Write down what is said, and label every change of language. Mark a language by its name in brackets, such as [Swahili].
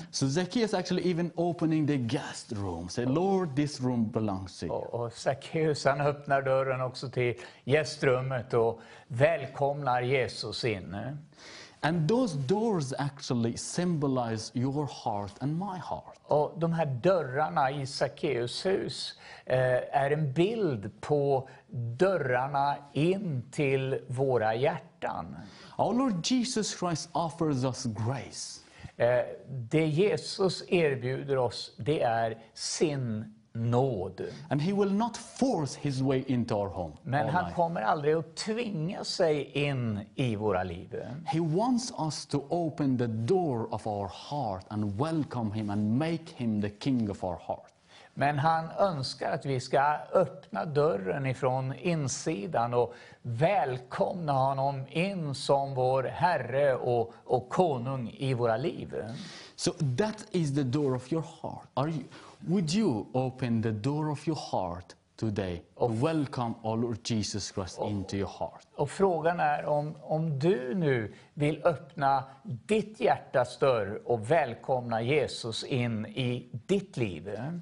[English] So Zacchaeus actually even opening the guest room, say, Lord, this room belongs to you. [Swedish] Och Zacchaeus, han öppnar dörren också till gästrummet och välkomnar Jesus in. [English] And those doors actually symbolize your heart and my heart. [Swedish] Och de här dörrarna i Zacchaeus hus är en bild på dörrarna in till våra hjärtan. [English] Our Lord Jesus Christ offers us grace. [Swedish] Det Jesus erbjuder oss, det är sin nåd. [English] And he will not force his way into our home. [Swedish] Men han kommer aldrig att tvinga sig in i våra liv. [English] He wants us to open the door of our heart and welcome him and make him the king of our heart. [Swedish] Men han önskar att vi ska öppna dörren ifrån insidan och välkomna honom in som vår herre och konung i våra liv. [English] So that is the door of your heart. Would you open the door of your heart today to welcome our Lord Jesus Christ into your heart? [Swedish] Och frågan är om du nu vill öppna ditt hjärtas dörr och välkomna Jesus in i ditt liv.